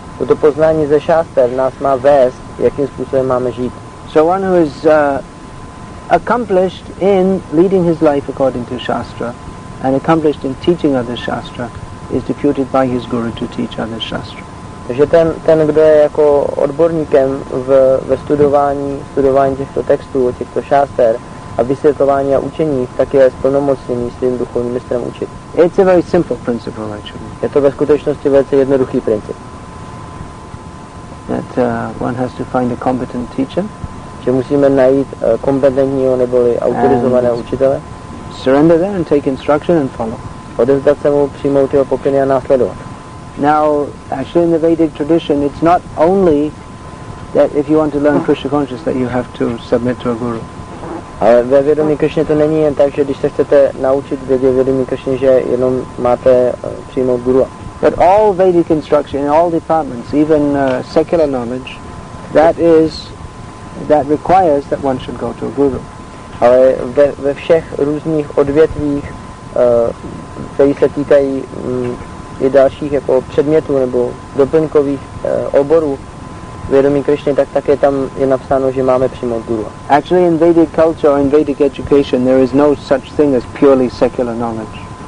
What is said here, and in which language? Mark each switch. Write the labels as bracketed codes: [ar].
[cs] Toto poznání ze šáster nás má vést, jakým způsobem máme žít. [en] So one who is accomplished in leading his life according to Shastra and accomplished in teaching others Shastra is deputed by his guru to teach other shastra. [cs] Takže ten kdo je jako odborníkem ve studování těchto textů, těchto šáster a vysvětlování a učení, tak je splnomocněný svým duchovním mistrem učit. [en] It's a very simple principle actually. [cs] Je to ve skutečnosti velice jednoduchý princip. [en] That one has to find a competent teacher. [cs] Že musíme najít kompetentního neboli autorizovaného učitele. [en] Surrender there and take instruction and follow. [cs] Odevzdat se mu, přijmout jeho pokyny a následovat. [en] Now, actually in the Vedic tradition, it's not only that if you want to learn Krishna consciousness that you have to submit to a guru. [cs] Ale ve vědomí Krishna to není jen tak, že když se chcete naučit vědomí Krishna, že jenom máte přijmout guru. [en] But all Vedic instruction in all departments, even secular knowledge, that requires that one should go to a guru. [cs] Ale ve všech různých odvětvích, které se týkají i dalších jako předmětů nebo doplňkových oborů vědomí Krishna, tak také tam je napsáno, že máme přijmout guru. [en] Actually in Vedic culture, in Vedic education, there is no such thing as purely secular knowledge.